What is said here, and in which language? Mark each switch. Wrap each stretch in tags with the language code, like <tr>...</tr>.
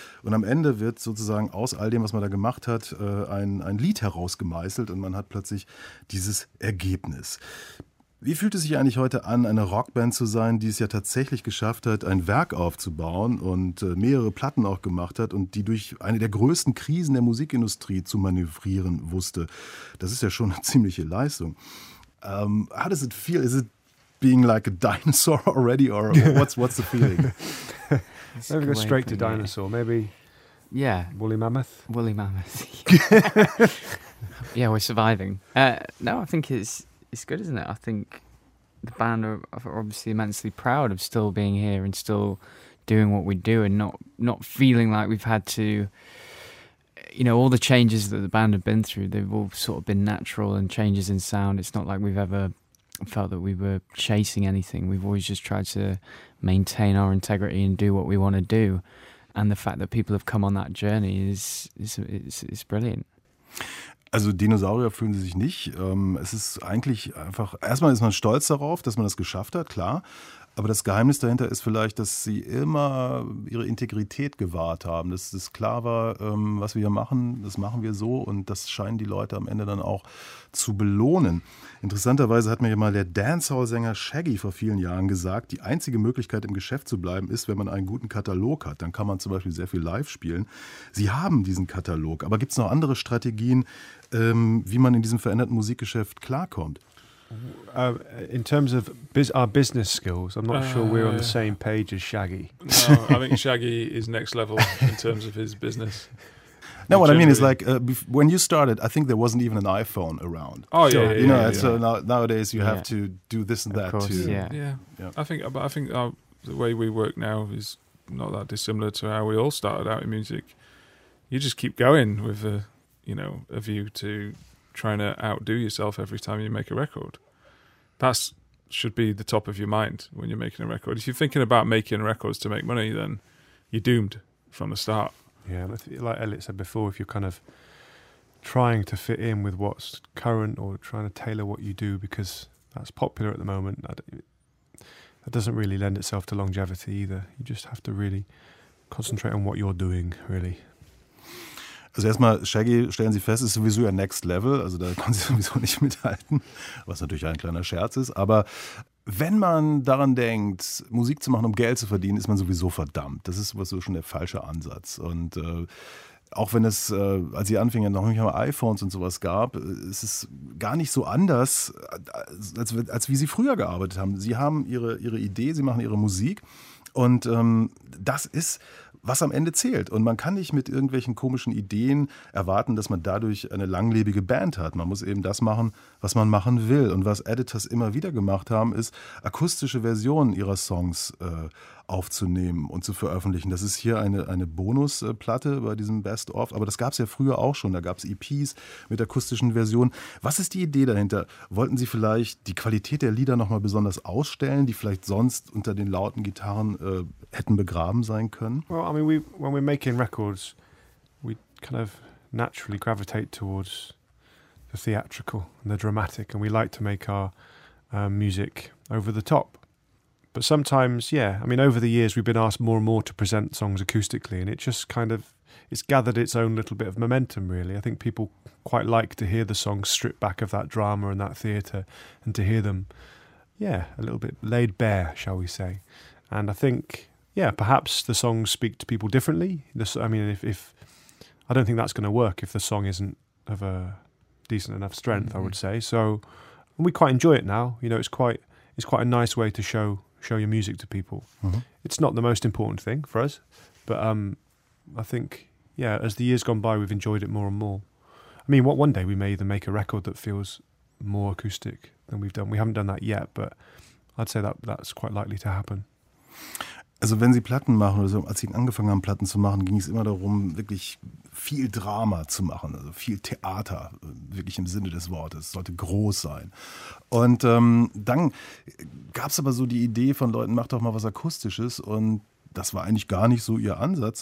<de>Und am Ende wird sozusagen aus all dem, was man da gemacht hat, ein Lied herausgemeißelt und man hat plötzlich dieses Ergebnis. Wie fühlt es sich eigentlich heute an, eine Rockband zu sein, die es ja tatsächlich geschafft hat, ein Werk aufzubauen und mehrere Platten auch gemacht hat und die durch eine der größten Krisen der Musikindustrie zu manövrieren wusste? Das ist ja schon eine ziemliche Leistung.</de> <en>How does it feel? Is it being like a dinosaur already or what's the feeling? Maybe go straight to dinosaur. Maybe yeah. Woolly mammoth? Woolly mammoth. Yeah, we're surviving. I think it's good, isn't it? I think the band are obviously immensely proud of still being here and still doing what we do and not feeling like we've had to, you know, all the changes that the band have been through, they've all sort of been natural and changes in sound. It's not like we've ever felt that we were chasing anything. We've always just tried to maintain our integrity and do what we want to do. And the fact that people have come on that journey is brilliant.</en> <de>Also Dinosaurier fühlen sie sich nicht. Es ist eigentlich einfach, erstmal ist man stolz darauf, dass man das geschafft hat, klar. Aber das Geheimnis dahinter ist vielleicht, dass sie immer ihre Integrität gewahrt haben. Dass es klar war, was wir hier machen, das machen wir so. Und das scheinen die Leute am Ende dann auch zu belohnen. Interessanterweise hat mir ja mal der Dancehall-Sänger Shaggy vor vielen Jahren gesagt, die einzige Möglichkeit, im Geschäft zu bleiben, ist, wenn man einen guten Katalog hat. Dann kann man zum Beispiel sehr viel live spielen. Sie haben diesen Katalog. Aber gibt es noch andere Strategien, wie man in diesem veränderten Musikgeschäft klarkommt?</de> <en>In terms of our business skills, I'm not sure we're on the same page as Shaggy. No, I think Shaggy is next level in terms of his business. No, what I mean is like when you started, I think there wasn't even an iPhone around. Oh, yeah. You know, so nowadays you have to do this and that too. Yeah. I think the way we work now is not that dissimilar to how we all started out in music. You just keep going with a view to trying to outdo yourself every time you make a record. That should be the top of your mind when you're making a record. If you're thinking about making records to make money, then you're doomed from the start. Yeah, like Elliot said before, if you're kind of trying to fit in with what's current or trying to tailor what you do because that's popular at the moment, that doesn't really lend itself to longevity either. You just have to really concentrate on what you're doing, really.</en> <de>Also erstmal, Shaggy, stellen Sie fest, ist sowieso ja Next Level, also da können Sie sowieso nicht mithalten, was natürlich ein kleiner Scherz ist. Aber wenn man daran denkt, Musik zu machen, um Geld zu verdienen, ist man sowieso verdammt. Das ist sowieso schon der falsche Ansatz. Und auch wenn es, als Sie anfingen, noch nicht mal iPhones und sowas gab, ist es gar nicht so anders, als wie Sie früher gearbeitet haben. Sie haben Ihre Idee, Sie machen Ihre Musik und das ist, was am Ende zählt. Und man kann nicht mit irgendwelchen komischen Ideen erwarten, dass man dadurch eine langlebige Band hat. Man muss eben das machen, was man machen will. Und was Editors immer wieder gemacht haben, ist, akustische Versionen ihrer Songs aufzunehmen und zu veröffentlichen. Das ist hier eine Bonusplatte bei diesem Best-of. Aber das gab es ja früher auch schon. Da gab es EPs mit akustischen Versionen. Was ist die Idee dahinter? Wollten Sie vielleicht die Qualität der Lieder nochmal besonders ausstellen, die vielleicht sonst unter den lauten Gitarren hätten begraben sein können?</de> <en>Well, I mean, when we're making records, we kind of naturally gravitate towards the theatrical and the dramatic, and we like to make our music over the top. But sometimes, over the years we've been asked more and more to present songs acoustically, and it just kind of, it's gathered its own little bit of momentum, really. I think people quite like to hear the songs stripped back of that drama and that theatre, and to hear them, a little bit laid bare, shall we say. And I think, perhaps the songs speak to people differently. If I don't think that's going to work if the song isn't of a decent enough strength, mm-hmm. I would say. So we quite enjoy it now. It's quite a nice way to show your music to people. Mm-hmm. It's not the most important thing for us, but I think, as the years gone by, we've enjoyed it more and more. I mean, one day we may even make a record that feels more acoustic than we've done. We haven't done that yet, but I'd say that's quite likely to happen.</en> <de>Also wenn Sie Platten machen, oder so, als Sie angefangen haben, Platten zu machen, ging es immer darum, wirklich viel Drama zu machen, also viel Theater, wirklich im Sinne des Wortes, sollte groß sein. Und dann gab es aber so die Idee von Leuten, mach doch mal was Akustisches, und das war eigentlich gar nicht so Ihr Ansatz.</de>